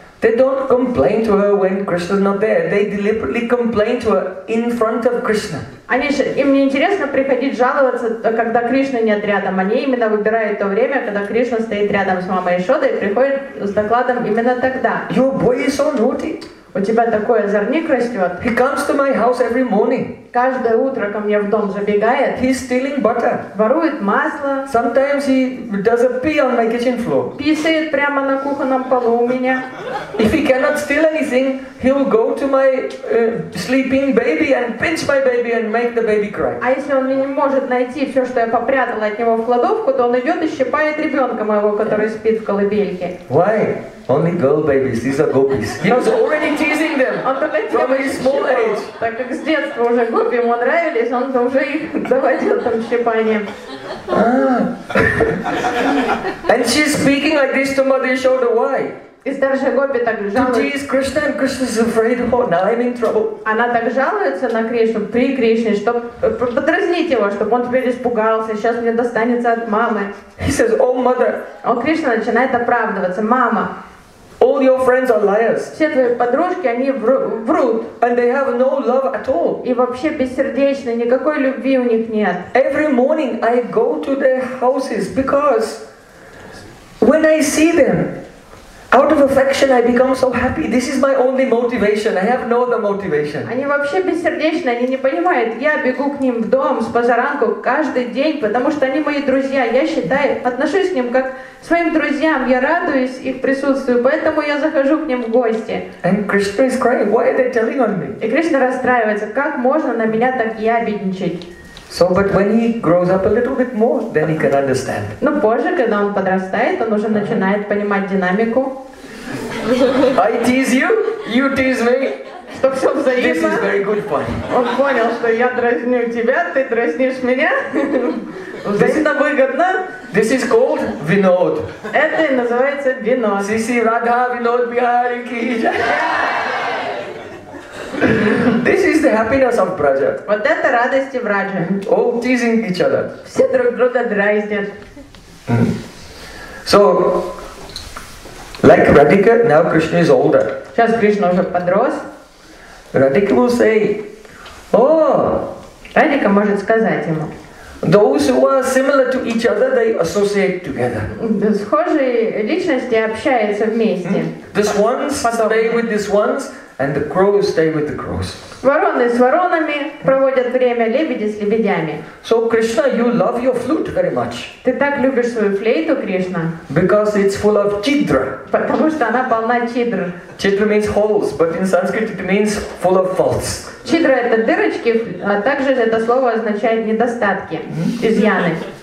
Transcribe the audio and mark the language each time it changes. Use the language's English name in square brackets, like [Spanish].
[English] They don't complain to her when Krishna's not there. They deliberately complain to her in front of Krishna. [Russian] Они же, им не интересно приходить жаловаться, когда Кришна нет рядом. Они именно выбирают то время, когда Кришна стоит рядом с мамой Яшодой и приходит с докладом именно тогда. [English] Your boy is so naughty. [Russian] У тебя такой озорник растет. [English] He comes to my house every morning. [Russian] Каждое утро ко мне в дом забегает. [English] He's stealing butter. [Russian] Ворует масло. [English] Sometimes he does a pee on my kitchen floor. [Russian] Писает прямо на кухонном полу у меня. [English] If he cannot steal anything, he'll go to my sleeping baby and pinch my baby and make the baby cry. [Russian] А если он не может найти все, что я попрятала от него в кладовку, то он идет и щипает ребенка моего, который спит в колыбельке. [English] Why? Only girl babies, these are gopis. He was already teasing them from his small age. [Russian] Так как с детства уже гопи ему нравились, он то уже их заводил там щипанием. [English] And she's speaking like this to Mother Yashoda. Why? [Russian] И старшая гопи так жалуется. [English] To tease Krishna, and Krishna's afraid. Oh, now I'm in trouble. [Russian] Она так жалуется на Кришну при Кришне, чтобы подразнить его, чтобы он теперь испугался. Сейчас мне достанется от мамы. [English] He says, Oh, mother. [Russian] Он Кришна начинает оправдываться, мама. [English] All your friends are liars. [Russian] Все твои подружки, они врут. [English] And they have no love at all. [Russian] И вообще бессердечны, никакой любви у них нет. [English] Every morning I go to their houses because when I see them, out of affection I become so happy. This is my only motivation. I have no other motivation. [Russian] Они вообще бессердечны, они не понимают. Я бегу к ним в дом с позаранку каждый день, потому что они мои друзья. Я считаю, отношусь к ним как своим друзьям, я радуюсь их присутствию, поэтому я захожу к ним в гости. [English] And Krishna is crying. Why are they telling on me? [Russian] И Кришна расстраивается. Как можно на меня так ябедничать? [English] So, but when he grows up a little bit more, then he can understand. [Russian] Но позже, когда он подрастает, он уже начинает понимать динамику. [English] I tease you, you tease me. [Russian] Что все взаимно. [English] This is very good fun. [Russian] Он понял, что я дразню тебя, ты дразнишь меня. Взаимно выгодно. [English] This is called Vinod. [Russian] Это и называется Vinod. Sisi Radha Vinod Bihari Ki. [English] This is the happiness of Braja. [Russian] Вот это радости Браджа. [English] All teasing each other. [Russian] Все друг друга дразнят. [English] So, like Radhika, now Krishna is older. [Russian] Сейчас Кришна уже подрос. [English] Radhika will say, Oh! [Russian] Радика может сказать ему. [English] Those who are similar to each other, they associate together. [Russian] Схожие личности общаются вместе. [English] The swans stay with the swans, and the crows stay with the crows. [Russian] Вороны с воронами проводят время, лебеди с лебедями. [English] So Krishna, you love your flute very much. [Russian] Ты так любишь свою флейту, Кришна? [English] Because it's full of chidra. [Russian] Потому что она полна чидр. [English] Chidra means holes, but in Sanskrit it means full of faults. [Russian] Чидра это дырочки, а также это слово означает недостатки, изъяны.